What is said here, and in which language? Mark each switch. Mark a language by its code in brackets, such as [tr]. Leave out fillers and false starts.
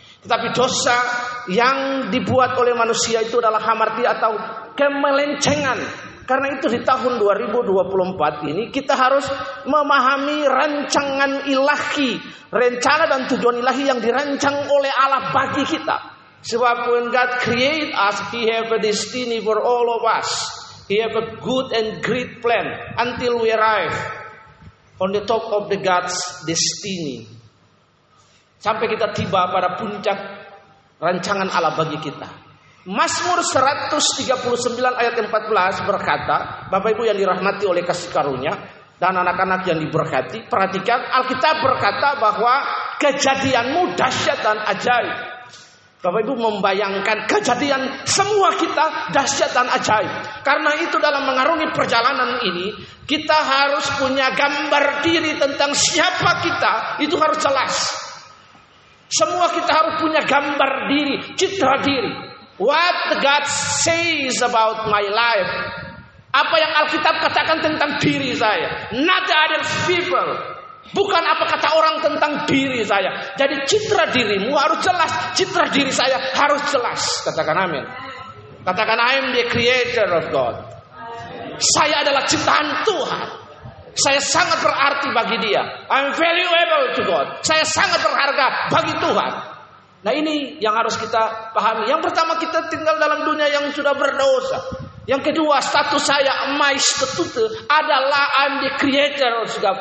[id] Tetapi dosa yang dibuat oleh manusia itu adalah hamartia atau kemelencengan. Karena itu di tahun 2024 ini kita harus memahami rancangan ilahi, rencana dan tujuan ilahi yang dirancang oleh Allah bagi kita. Sebab [en] when God create us, He have a destiny for all of us. He have a good and great plan until we arrive on the top of the God's destiny. [id] Sampai kita tiba pada puncak rancangan Allah bagi kita. Mazmur 139 ayat 14 berkata, Bapak Ibu yang dirahmati oleh kasih karunia dan anak-anak yang diberkati, perhatikan, Alkitab berkata bahwa kejadianmu dahsyat dan ajaib. Bapak Ibu membayangkan kejadian semua kita dahsyat dan ajaib. Karena itu dalam mengarungi perjalanan ini, kita harus punya gambar diri tentang siapa kita, itu harus jelas. Semua kita harus punya gambar diri, citra diri. [en] What God says about my life. [id] Apa yang Alkitab katakan tentang diri saya. [en] Not the other people. [id] Bukan apa kata orang tentang diri saya. Jadi citra dirimu harus jelas. Citra diri saya harus jelas. Katakan amin. Katakan [en] I am the creator of God. [id] Saya adalah ciptaan Tuhan. Saya sangat berarti bagi dia. [en] I am valuable to God. [id] Saya sangat berharga bagi Tuhan. Nah ini yang harus kita pahami. Yang pertama, kita tinggal dalam dunia yang sudah berdosa. Yang kedua, status saya maestetute adalah [en] I'm the creator of God.